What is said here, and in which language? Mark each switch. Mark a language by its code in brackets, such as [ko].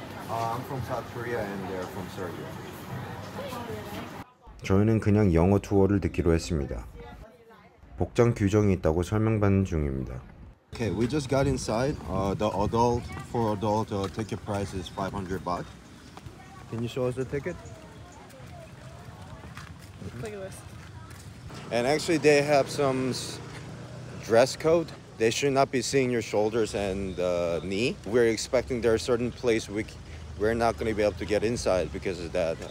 [en] I'm from South Korea and they're from Serbia. [ko] 저희는 그냥 영어 투어를 듣기로 했습니다. 복장 규정이 있다고 설명받는 중입니다. [en] Okay, we just got inside. The adult for adult ticket price is 500 baht. Can you show us the ticket? Playlist. And actually they have some dress code. They should not be seeing your shoulders and knee. We're expecting there are certain place we're not going to be able to get inside because of that.